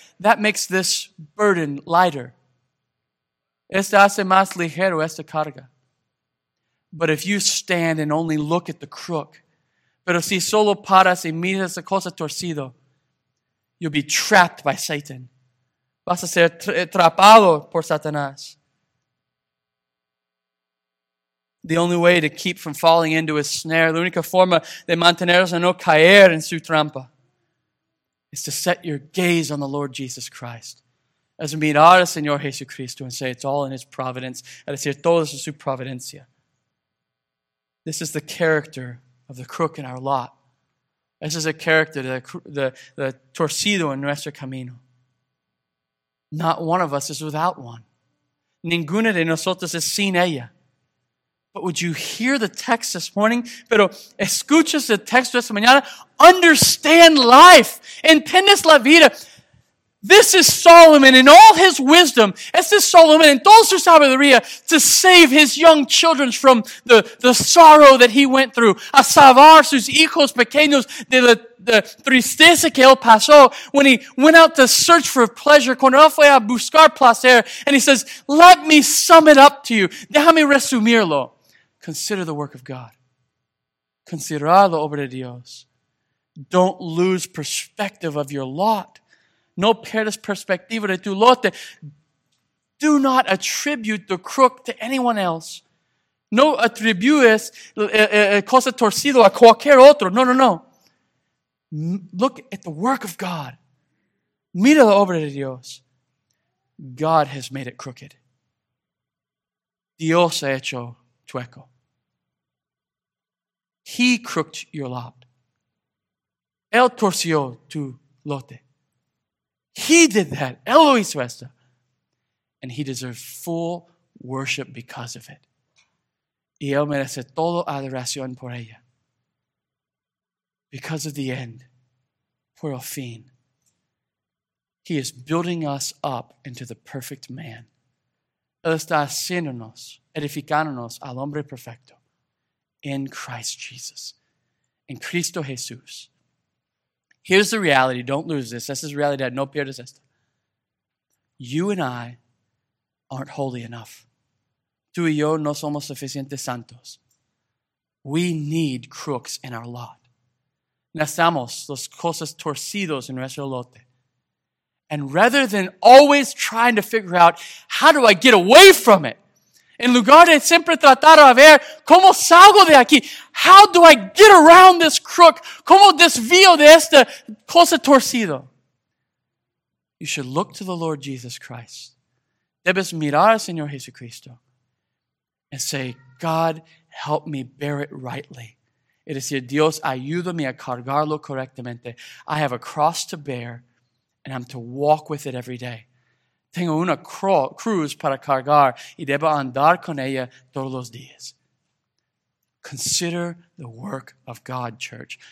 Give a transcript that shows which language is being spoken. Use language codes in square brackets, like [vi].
[en] That makes this burden lighter. [es] Esta hace más ligero esta carga. [en] But if you stand and only look at the crook, [es] pero si solo paras y miras la cosa torcido, [en] you'll be trapped by Satan. [es] Vas a ser atrapado por Satanás. [en] The only way to keep from falling into his snare, [es] la única forma de mantenerse a no caer en su trampa, [en] is to set your gaze on the Lord Jesus Christ. [es] As mirar al Señor Jesucristo [en] and say, it's all in his providence. [es] Es decir, todo es en su providencia. [en] This is the character of the crook in our lot. This is a character, the [es] torcido en nuestro camino. [en] Not one of us is without one. [es] Ninguna de nosotros es sin ella. [en] But would you hear the text this morning? [es] Pero escuchas el texto esta mañana? [en] Understand life. [es] Entiendes la vida. [en] This is Solomon in all his wisdom. [es] Este es Solomon en toda su sabiduría [en] to save his young children from the sorrow that he went through. [es] A salvar sus hijos pequeños de la tristeza que él pasó [en] when he went out to search for pleasure. [es] Cuando él fue a buscar placer. [en] And he says, let me sum it up to you. [es] Déjame resumirlo. [en] Consider the work of God. [es] Considerar la obra de Dios. [en] Don't lose perspective of your lot. [es] No pierdas perspectiva de tu lote. [en] Do not attribute the crook to anyone else. [es] No atribuyes cosa torcido a cualquier otro. [en] No, no, no. Look at the work of God. [es] Mira la obra de Dios. [en] God has made it crooked. [es] Dios ha hecho chueco. [en] He crooked your lot. [es] Él torció tu lote. [en] He did that. [es] Él lo hizo esto. [en] And he deserves full worship because of it. [es] Y él merece toda adoración por ella. [en] Because of the end, [es] por el fin, [en] he is building us up into the perfect man. [es] Él está haciéndonos, edificándonos al hombre perfecto [en] in Christ Jesus, [es] in Cristo Jesús. [en] Here's the reality. Don't lose this. This is reality. [es] No pierdas esto. [en] You and I aren't holy enough. [es] Tú y yo no somos suficientes santos. [en] We need crooks in our lot. [es] Necesitamos los cosas torcidos en nuestro lote. [en] And rather than always trying to figure out how do I get away from it, [es] en lugar de siempre tratar a ver cómo salgo de aquí, [en] how do I get around this crook, [es] cómo desvío de esta cosa torcida, [en] you should look to the Lord Jesus Christ. [es] Debes mirar al Señor Jesucristo [en] and say, God, help me bear it rightly. [es] Es decir, Dios, ayúdame a cargarlo correctamente. [en] I have a cross to bear, and I'm to walk with it every day. [es] Tengo una cruz para cargar y debo andar con ella todos los días. [en] Consider the work of God, church.